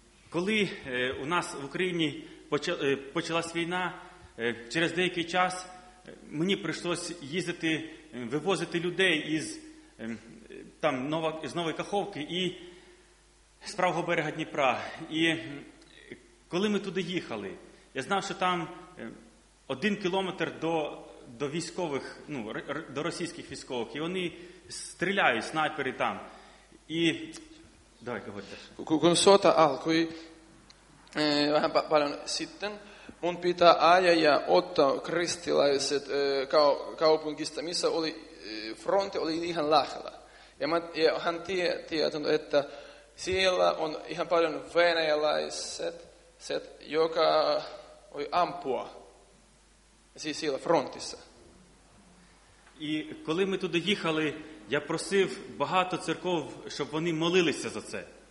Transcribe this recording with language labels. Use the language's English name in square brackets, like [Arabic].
[Ukrainian] Коли у нас в Україні почалась війна, через деякий час мені прийшлось їздити, вивозити людей із там з Нової Каховки і з правого берега Дніпра. І коли ми туди їхали, я знав, що там один кілометр до військових, ну, до російських військових, і вони стріляють, снайпери там. І давай, говорите. [Finnish] Kun sota alkoi vähän paljon sitten, mun pitää ajaa ja ottaa kristilaiset kaupunkista, missä oli fronti oli ihan lähellä. Ja hän tietää, että siellä on ihan paljon venäläiset, joka voi ampua siis siellä frontissa. [Ukrainian] І коли ми туди їхали, я просив багато церков, щоб вони молилися за це.